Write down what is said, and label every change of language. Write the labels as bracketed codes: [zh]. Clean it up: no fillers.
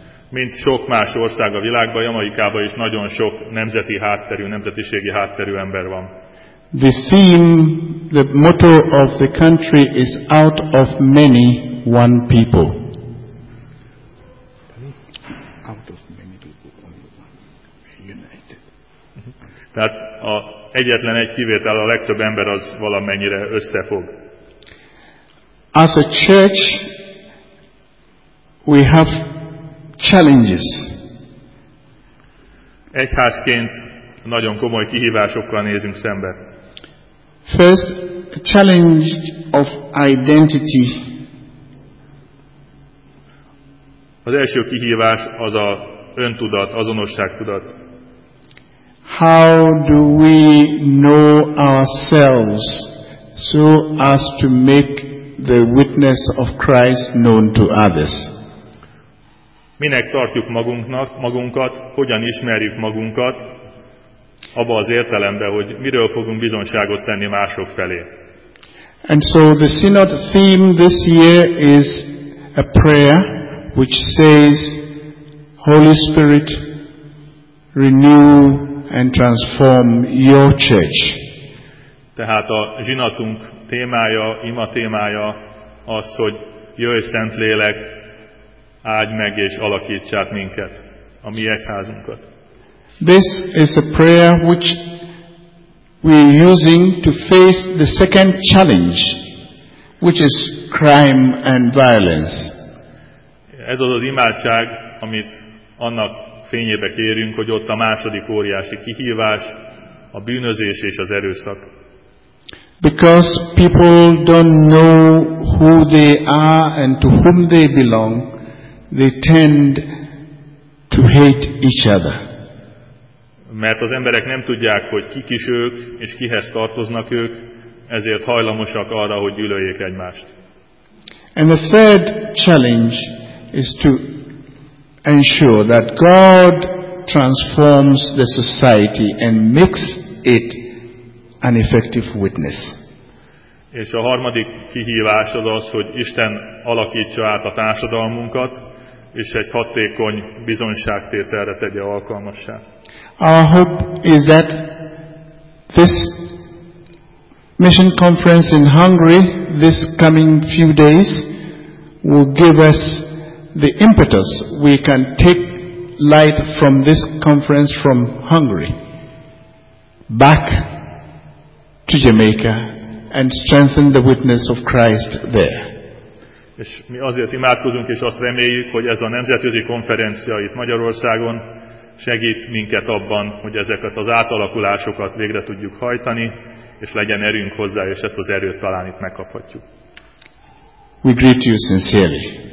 [hu] Mint sok más ország a világban, Jamaikában is nagyon sok nemzeti hátterű, nemzetiségi hátterű ember van. [en] The theme, the motto of the country is out of many, one people. Out of many people, united. [hu] Tehát a egyetlen egy kivétel, a legtöbb ember az valamennyire összefog. [en] As a church, we have challenges. [hu] Egyházként nagyon komoly kihívásokkal nézünk szembe. [en] First, a challenge of identity. [hu] Az első kihívás az a öntudat, azonosságtudat. [en] How do we know ourselves so as to make the witness of Christ known to others? [hu] Minek tartjuk magunkat, hogyan ismerjük magunkat, abba az értelemben, hogy miről fogunk bizonyságot tenni mások felé. [en] And so the synod theme this year is a prayer which says, Holy Spirit, renew and transform your church. [hu] Tehát a zsinatunk témája, ima témája az, hogy jöjj Szentlélek, áld meg és alakítsát minket, a mi egyházunkat. [en] This is a prayer which we are using to face the second challenge, which is crime and violence. [hu] Ez az az imádság, amit annak fényébe kérünk, hogy ott a második óriási kihívás, a bűnözés és az erőszak. [en] Because people don't know who they are and to whom they belong, they tend to hate each other. [hu] Mert az emberek nem tudják, hogy kik is ők, és kihez tartoznak ők, ezért hajlamosak arra, hogy gyűlöljék egymást. [en] And the third challenge is to ensure that God transforms the society and makes it an effective witness. [hu] És a harmadik kihívás az, hogy Isten alakítsa át a társadalmunkat, és egy hatékony bizonyságtételre tegye alkalmassá. [en] Our hope is that this mission conference in Hungary this coming few days will give us the impetus we can take light from this conference from Hungary back to Jamaica and strengthen the witness of Christ there. [hu] És mi azért imádkozunk, és azt reméljük, hogy ez a nemzetközi konferencia itt Magyarországon segít minket abban, hogy ezeket az átalakulásokat végre tudjuk hajtani, és legyen erőnk hozzá, és ezt az erőt talán itt megkaphatjuk. [en] We greet you sincerely.